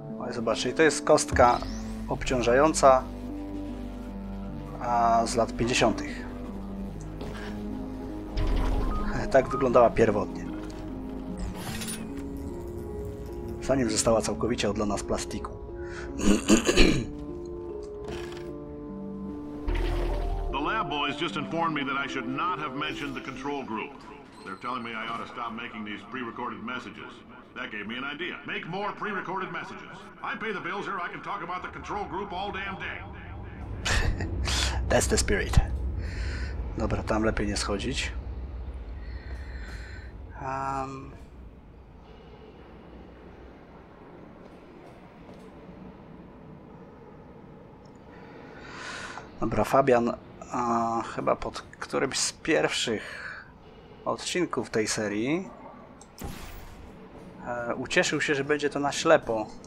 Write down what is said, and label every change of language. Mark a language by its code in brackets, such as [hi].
[pl] Zobaczcie, to jest kostka obciążająca z lat 50. Tak wyglądała pierwotnie. Zanim została całkowicie odlana z plastiku. [en] The lab boys just informed me that I should not have mentioned the control group. They're telling me I ought to stop making these pre-recorded messages. That gave me an idea. Make more pre-recorded messages. I pay the bills here, I can talk about the control group all damn day. That's the spirit. [pl] Dobra, tam lepiej nie schodzić. Dobra, Fabian, chyba pod którymś z pierwszych odcinków tej serii ucieszył się, że będzie to na ślepo.